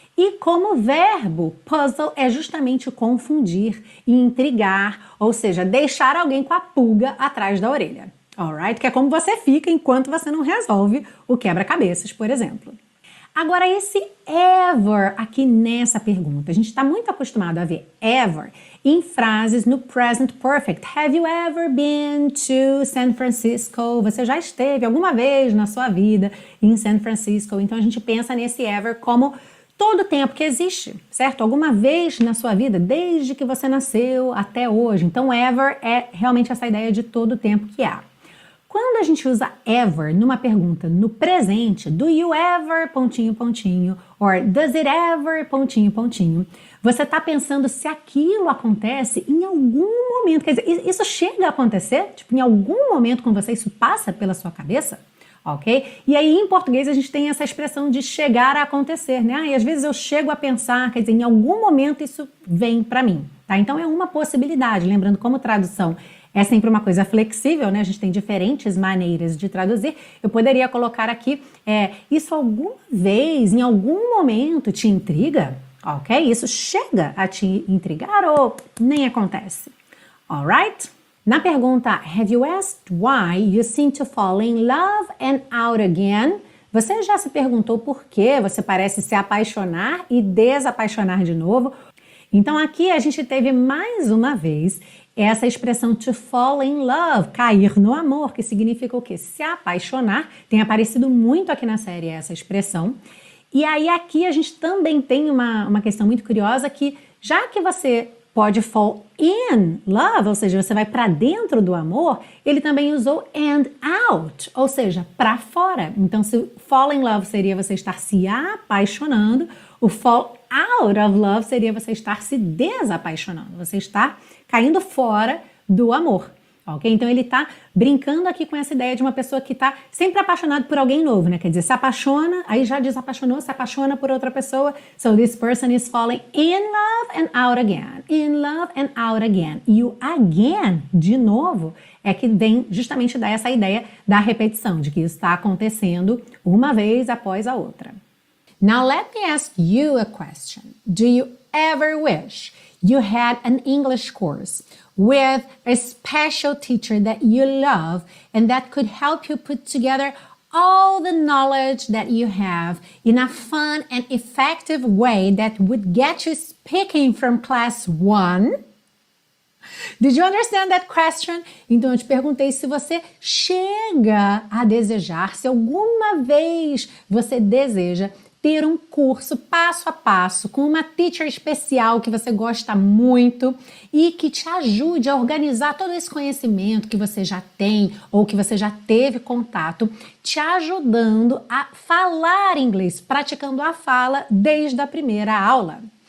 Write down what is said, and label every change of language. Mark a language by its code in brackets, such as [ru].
[pt] E como verbo, puzzle é justamente confundir e intrigar, ou seja, deixar alguém com a pulga atrás da orelha. Alright? Que é como você fica enquanto você não resolve o quebra-cabeças, por exemplo. Agora, esse ever aqui nessa pergunta, a gente está muito acostumado a ver ever em frases no present perfect. [en] Have you ever been to San Francisco? [pt] Você já esteve alguma vez na sua vida em San Francisco? Então, a gente pensa nesse ever como todo o tempo que existe, certo? Alguma vez na sua vida, desde que você nasceu até hoje. Então, ever é realmente essa ideia de todo o tempo que há. Quando a gente usa ever numa pergunta no presente, [en] do you ever, [pt] pontinho, pontinho, [en] or does it ever, [pt] pontinho, pontinho, você está pensando se aquilo acontece em algum momento. Quer dizer, isso chega a acontecer? Tipo, em algum momento com você, isso passa pela sua cabeça? Ok? E aí, em português, a gente tem essa expressão de chegar a acontecer, né? E às vezes eu chego a pensar, quer dizer, em algum momento isso vem para mim, tá? Então, é uma possibilidade. Lembrando, como tradução é sempre uma coisa flexível, né? A gente tem diferentes maneiras de traduzir. Eu poderia colocar aqui, isso alguma vez, em algum momento, te intriga? Ok? Isso chega a te intrigar ou nem acontece? [en] Alright? [pt] Na pergunta, [en] have you asked why you seem to fall in love and out again? [pt] Você já se perguntou por que você parece se apaixonar e desapaixonar de novo? Então aqui a gente teve mais uma vez essa expressão [en] to fall in love, [pt] cair no amor, que significa o quê? Se apaixonar. Tem aparecido muito aqui na série essa expressão. E aí aqui a gente também tem uma questão muito curiosa que, já que você pode fall in love, ou seja, você vai para dentro do amor, ele também usou and out, ou seja, para fora. Então, se fall in love seria você estar se apaixonando, o [en] fall out of love [pt] seria você estar se desapaixonando, você estar caindo fora do amor, ok? Então, ele está brincando aqui com essa ideia de uma pessoa que está sempre apaixonada por alguém novo, né? Quer dizer, se apaixona, aí já desapaixonou, se apaixona por outra pessoa. [en] So, this person is falling in love and out again. In love and out again. [pt] E o again, de novo, é que vem justamente dessa ideia da repetição, de que isso está acontecendo uma vez após a outra. [en] Now, let me ask you a question. Do you ever wish you had an English course with a special teacher that you love and that could help you put together all the knowledge that you have in a fun and effective way that would get you speaking from class one? Did you understand that question? [pt] Então, eu te perguntei se você chega a desejar, se alguma vez você deseja ter um curso passo a passo com uma teacher especial que você gosta muito e que te ajude a organizar todo esse conhecimento que você já tem ou que você já teve contato, te ajudando a falar inglês, praticando a fala desde a primeira aula.